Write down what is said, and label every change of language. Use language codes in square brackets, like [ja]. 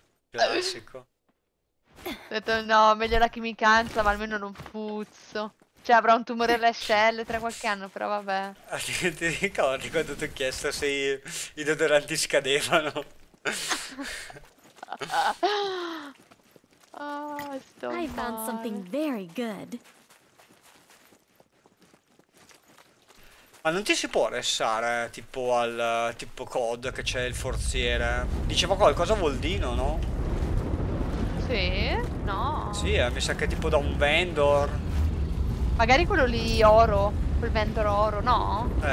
[it] Classico. Ho detto, no, meglio la chimicanza, ma almeno non puzzo. Cioè, avrò un tumore alle ascelle tra qualche anno, però vabbè. Ti ricordi quando ti ho chiesto se i deodoranti scadevano? [en] Oh, [it] sto male. [en] I found something very good. [it] Ma non ti si può ressare, tipo, al tipo COD che c'è il forziere? Diceva qualcosa Voldino, no? Sì? No. Sì, mi sa che tipo da un vendor. Magari quello lì oro, quel vendor oro, no?